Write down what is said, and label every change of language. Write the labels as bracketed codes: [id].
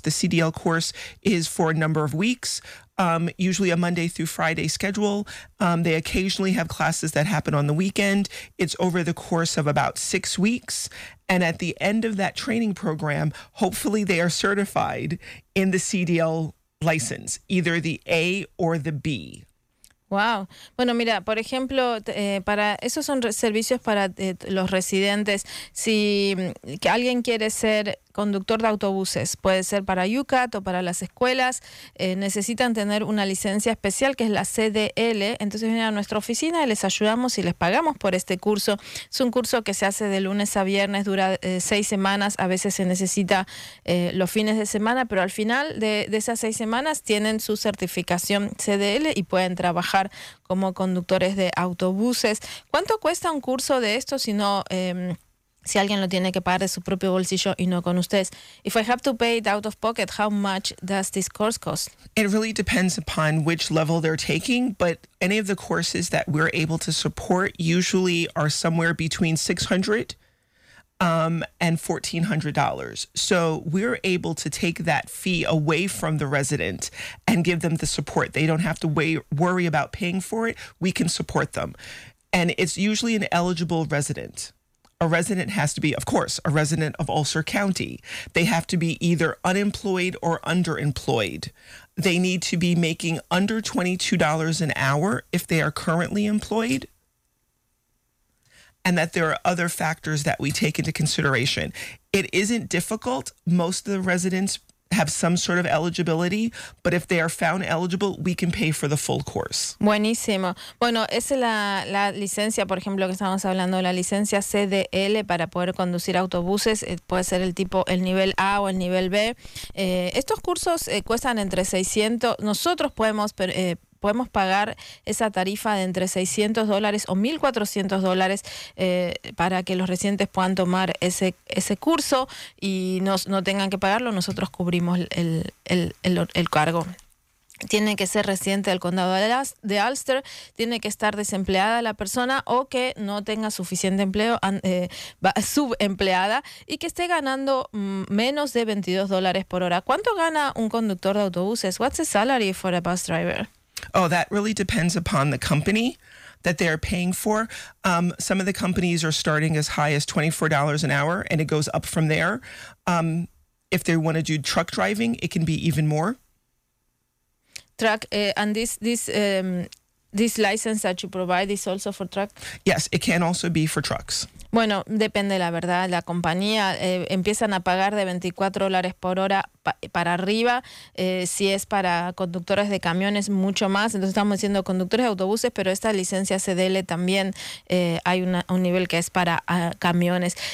[en] The CDL course is for a number of weeks, usually a Monday through Friday schedule. They occasionally have classes that happen on the weekend. It's over the course of about 6 weeks. And at the end of that training program, hopefully they are certified in the CDL license, either the A or the B. Wow. [es] Bueno, mira, por ejemplo, para esos son servicios para los residentes. Si que alguien quiere ser conductor de autobuses, puede ser para UCAT o para las escuelas, necesitan tener una licencia especial que es la CDL. Entonces vienen a nuestra oficina y les ayudamos y les pagamos por este curso. Es un curso que se hace de lunes a viernes, dura 6 semanas. A veces se necesita los fines de semana, pero al final de esas 6 semanas tienen su certificación CDL y pueden trabajar como conductores de autobuses. ¿Cuánto cuesta un curso de esto si no... si alguien lo tiene que pagar de su propio bolsillo y no con ustedes? [en] If I have to pay it out of pocket, how much does this course cost? It really depends upon which level they're taking, but any of the courses that we're able to support usually are somewhere between $600 and $1,400. So we're able to take that fee away from the resident and give them the support. They don't have to worry about paying for it. We can support them. And it's usually an eligible resident. A resident has to be, of course, a resident of Ulster County. They have to be either unemployed or underemployed. They need to be making under $22 an hour if they are currently employed. And that there are other factors that we take into consideration. It isn't difficult. Most of the residents have some sort of eligibility, but if they are found eligible, we can pay for the full course. [es] Buenísimo. Bueno, esa es la licencia, por ejemplo, que estamos hablando, la licencia CDL para poder conducir autobuses. Puede ser el nivel A o el nivel B. Estos cursos cuestan entre 600. Nosotros podemos pagar esa tarifa de entre $600 o $1,400 para que los residentes puedan tomar ese curso y no tengan que pagarlo. Nosotros cubrimos el cargo. Tiene que ser residente del condado de Ulster, tiene que estar desempleada la persona o que no tenga suficiente empleo, subempleada, y que esté ganando menos de $22 por hora. ¿Cuánto gana un conductor de autobuses? [en] What's the salary for a bus driver? Oh, that really depends upon the company that they're paying for. Some of the companies are starting as high as $24 an hour, and it goes up from there. If they want to do truck driving, it can be even more. Truck, and this license that you provide is also for truck? Yes, it can also be for trucks. [es] Bueno, depende, la verdad. La compañía empiezan a pagar de $24 por hora para arriba. Si es para conductores de camiones, mucho más. Entonces estamos diciendo conductores de autobuses, pero esta licencia CDL también hay un nivel que es para camiones.